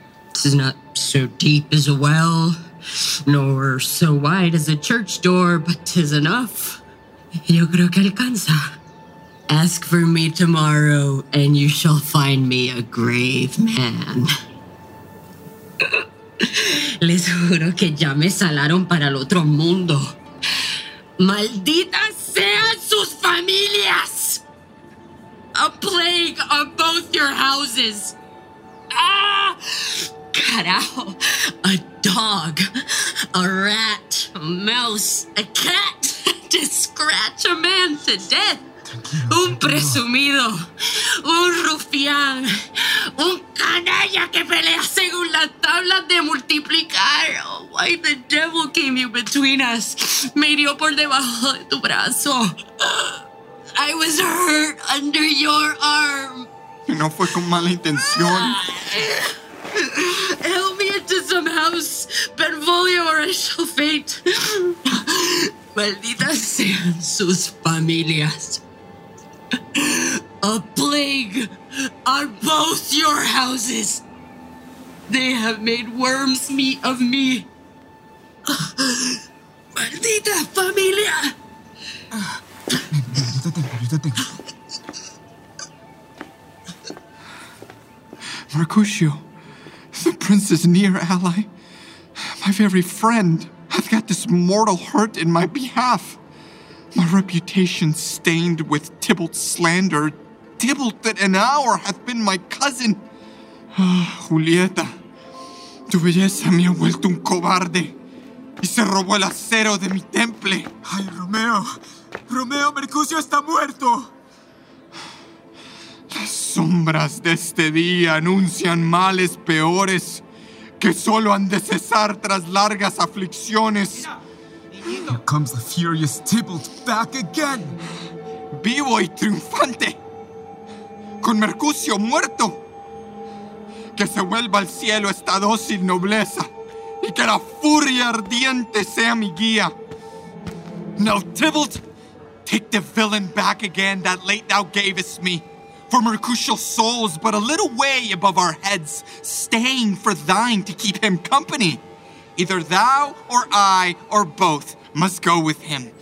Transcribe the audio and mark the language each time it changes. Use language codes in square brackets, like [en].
[en] It's not so deep as a well, nor so wide as a church door, but 'tis enough. [es] Yo creo que alcanza. [en] Ask for me tomorrow, and you shall find me a grave man. [es] Les juro que ya me salaron para el otro mundo. ¡Malditas sean sus familias! [en] A plague on both your houses. ¡Ah! Carajo, a dog, a rat, a mouse, a cat to scratch a man to death. [es] Tranquilo, un presumido, un rufián, un canalla que pelea según las tablas de multiplicar. [en] Oh, why the devil came you between us? [es] Me hirió por debajo de tu brazo. [en] I was hurt under your arm. [es] No fue con mala intención. [en] Help me into some house, Benvolio, or I shall faint. [es] Malditas sean sus familias. [en] A plague on both your houses. They have made worms meat of me. [es] Maldita familia! Ayúdate. [en] Mercutio, the prince's near ally, my very friend, I've got this mortal hurt in my behalf. My reputation stained with Tybalt's slander. Tybalt that an hour hath been my cousin. [es] Ah, Julieta, tu belleza me ha vuelto un cobarde y se robó el acero de mi temple. Ay, Romeo. Romeo, Mercutio está muerto. Las sombras de este día anuncian males peores que solo han de cesar tras largas aflicciones. [en] Mira. Here comes the furious Tybalt back again. [es] Vivo y triunfante. Con Mercutio muerto. Que se vuelva al cielo esta dócil nobleza. Y que la furia ardiente sea mi guía. [en] Now, Tybalt, take the villain back again that late thou gavest me. For Mercutio's soul's but a little way above our heads, staying for thine to keep him company. Either thou or I or both must go with him.